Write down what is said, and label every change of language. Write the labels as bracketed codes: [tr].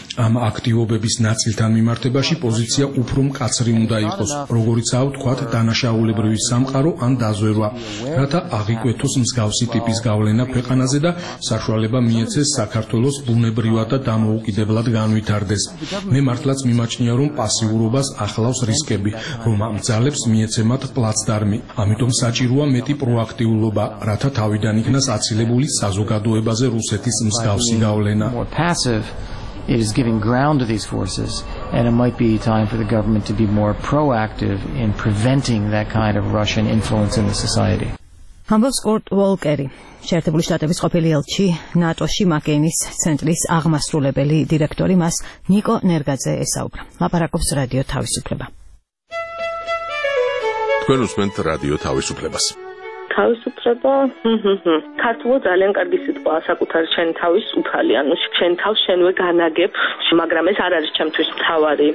[ka] ამ აქტივობების ნაწილთან მიმართებაში პოზიცია უფრო მკაცრი უნდა იყოს, როგორიცაა ვთქვათ, დანაშაულებრივი სამყარო ან დაზვერვა, რათა აღიკვეთოს მსგავსი ტიპის გავლენა ქვეყანაზე და საშუალება მიეცეს საქართველოს ბუნებრივად და დამოუკიდებლად დებლად განვითარდეს. მე მართლაც მიმაჩნია, რომ პასიურობას ახლავს რისკები, რომ ამ ძალებს მიეცემათ პლაცდარმი. ამიტომ საჭიროა მეტი პროაქტიულობა, რათა თავიდან იქნას აცილებული საზოგადოებაზე რუსეთის მსგავსი გავლენა. [en] It is giving ground to these forces, and it might be time for the government to be more proactive in preventing that kind of Russian influence in the society. [ka] ჰამბოს კორტ ვოლკერი, შეერთებული შტატების ყოფილი ელჩი, ნატოში მაკეინის ცენტრის აღმასრულებელი დირექტორი, მას ნიკო ნერგაძე ესაუბრა. ლაპარაკობს რადიო თავისუფლება. თქვენ უსმენთ რადიო თავისუფლებას. თავისუფლება, ქართულად ძალიან კარგი სიტყვაა, საკუთარ შენ თავის უფალი, ანუ შენ თავს შენვე განაგებ, მაგრამ ეს არ არის ჩემთვის მთავარი.